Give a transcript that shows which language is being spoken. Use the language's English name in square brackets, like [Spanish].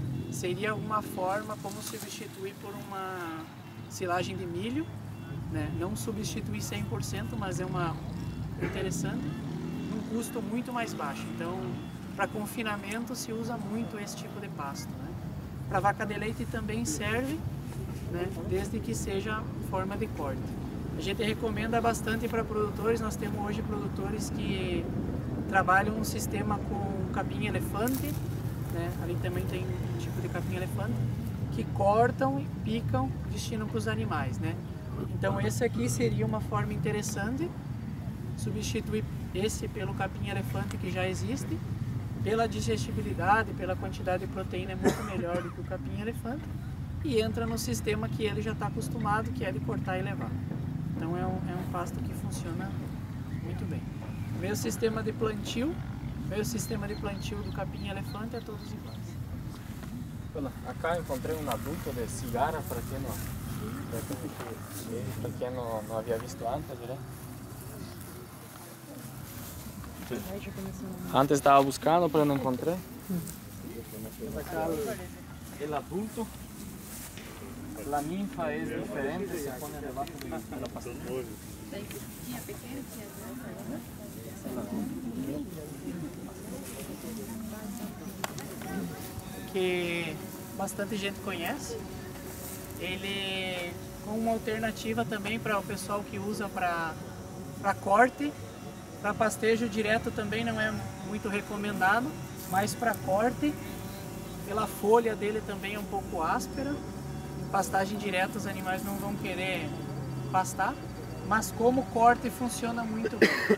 [Portuguese] Seria uma forma como substituir por uma silagem de milho, né? Não substituir 100%, mas é uma interessante, num custo muito mais baixo. Então, para confinamento se usa muito esse tipo de pasto, né? Para vaca de leite também serve, né? Desde que seja forma de corte. A gente recomenda bastante para produtores, nós temos hoje produtores que trabalham um sistema com capim elefante, né? Ali também tem um tipo de capim elefante, que cortam e picam, destinam para os animais, né? Então esse aqui seria uma forma interessante, substituir esse pelo capim elefante que já existe. Pela digestibilidade, pela quantidade de proteína, é muito melhor do que o capim elefante. E entra no sistema que ele já está acostumado, que é de cortar e levar. Então é um pasto que funciona muito bem. Meu sistema de plantio do capim elefante é todos iguais. Olá, acá encontrei um adulto de cigarra, para quem não havia visto antes, né? [Spanish] Antes estaba buscando, pero no encontré. El adulto, la ninfa es diferente, se pone debajo de la pastilla. Que bastante gente conoce. Ele, como una alternativa también para el pessoal que usa para corte. [Portuguese] Para pastejo direto também não é muito recomendado, mas para corte, pela folha dele também é um pouco áspera. Em pastagem direta os animais não vão querer pastar, mas como corte funciona muito bem.